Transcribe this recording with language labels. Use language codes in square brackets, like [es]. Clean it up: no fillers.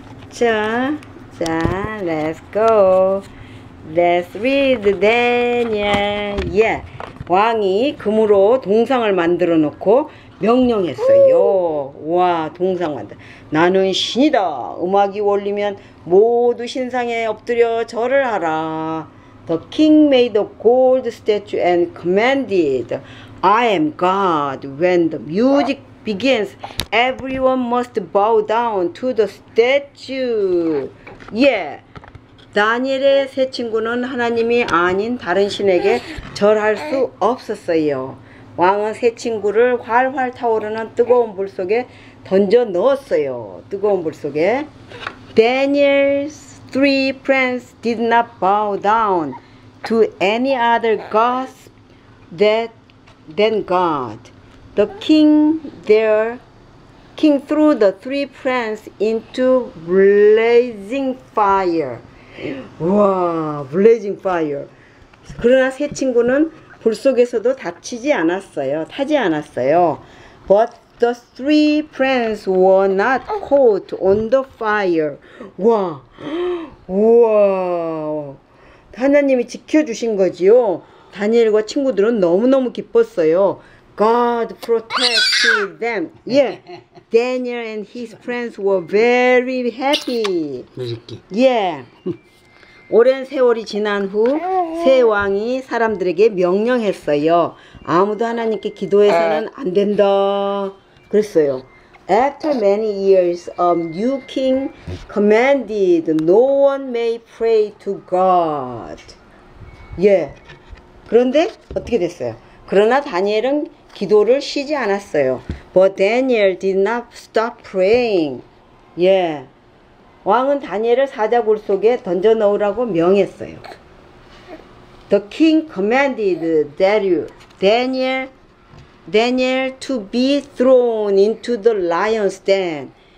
[en] 자, let's go. Let's read Daniel. Yeah. [ko] 왕이 금으로 동상을 만들어 놓고 명령했어요. 와, 동상 만들. 나는 신이다. 음악이 울리면 모두 신상에 엎드려 절을 하라. [en] The king made a gold statue and commanded, I am God. When the music begins, everyone must bow down to the statue. Yeah. [ko] 다니엘의 세 친구는 하나님이 아닌 다른 신에게 절할 수 없었어요. 왕은 세 친구를 활활 타오르는 뜨거운 불 속에 던져 넣었어요. 뜨거운 불 속에. [en] Daniel's three friends did not bow down to any other gods than God. The king there, king threw the three friends into blazing fire. 와, blazing fire. [ko] 그러나 세 친구는 불 속에서도 다치지 않았어요. 타지 않았어요. [en] But the three friends were not caught on the fire. [ko] 와, 우와. 하나님이 지켜주신 거지요. 다니엘과 친구들은 너무너무 기뻤어요. [en] God protected them. Yeah. Daniel and his friends were very happy. [ko] 늦게. [en] Yeah. [ko] 오랜 세월이 지난 후 새 왕이 사람들에게 명령했어요. 아무도 하나님께 기도해서는 안 된다 그랬어요. [en] After many years, a new king commanded no one may pray to God. 예. [ko] 그런데 어떻게 됐어요? 그러나 다니엘은 기도를 쉬지 않았어요. [en] But Daniel did not stop praying. 예. [ko] 왕은 다니엘을 사자굴 속에 던져 넣으라고 명했어요. [en] The king commanded Daniel to be thrown into the lion's den.